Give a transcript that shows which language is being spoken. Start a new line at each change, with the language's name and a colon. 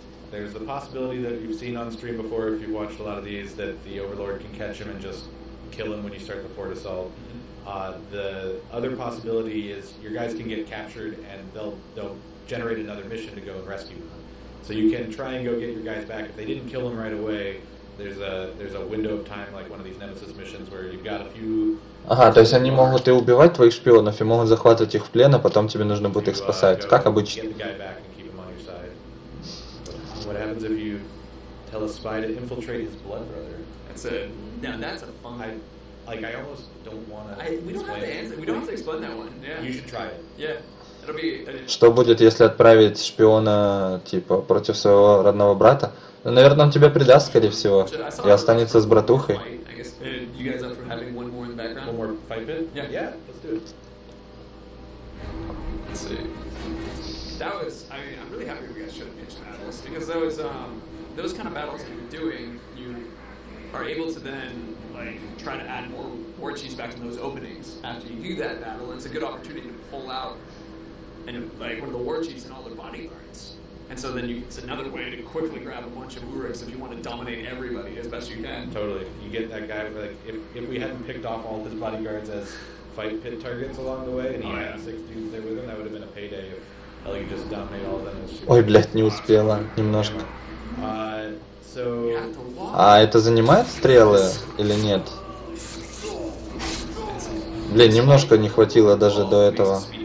English: There's the possibility that you've seen on stream before, if you've watched a lot of these, that the Overlord can catch him and just kill him when you start the Fort Assault. The other possibility is your guys can get captured and they'll generate another mission to go and rescue them. So you can try and go get your guys back. If they didn't kill him right away, there's a window of time, like one of these Nemesis missions, where you've got a few...
Russian: Ага, то есть они могут и убивать твоих шпионов, и могут захватывать их в плен, а потом тебе нужно будет их спасать, как обычно.
English: Get the guy back and keep him on your side. What happens if you tell a spy to infiltrate his blood brother? That's a fun... Like, I almost don't want to... We don't have the answer. We don't have to explain that one. Yeah. You should try it. Yeah.
Russian: Что будет, если отправить шпиона, типа, против своего родного брата? Ну, наверное, он тебя предаст, скорее всего, и останется с братухой.
English: You guys up for having one more in the background? One more fight bit? Yeah. Yeah, let's do it. Let's see. I'm really happy we guys showed Pitch Battles, because those kind of battles that you're doing, you are able to then, like, try to add more war cheese back to those openings after you do that battle, and it's a good opportunity to pull out and like one of the war chiefs and all their bodyguards, and so then it's another way to quickly grab a bunch of Uruks if you want to dominate everybody as best you can. Totally, you get that guy. Like, if we hadn't picked off all his bodyguards as fight pit targets along the way, and he had six dudes there with him, that would have been a payday if Ellie like, just dominated all of them.
Russian: Ой, блять, не успела немножко.
English: So,
Russian: а это занимает стрелы или нет? Блин, немножко не хватило даже до этого.